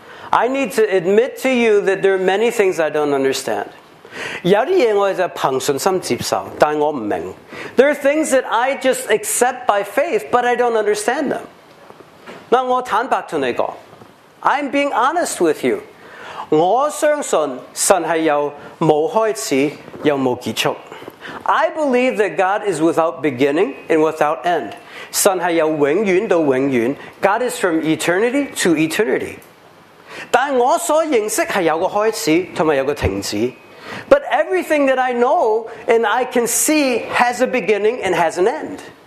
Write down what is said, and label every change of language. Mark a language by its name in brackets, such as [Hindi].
[English] I need to admit to you that there are many things I don't understand. [Chinese] 有些东西我是凭信心接受，但我不明。 [English] There are things that I just accept by faith, but I don't understand them. [Chinese] 那我坦白跟你说， [English] I'm being honest with you. [Chinese] 我相信神是有无开始，有无结束。 [English] I believe that God is without beginning and without end. [Chinese] 神是由永远到永远, [English] God is from eternity to eternity. [Chinese] 但我所认识是有个开始和有个停止。 [English] But everything that I know and I can see has a beginning and has an end.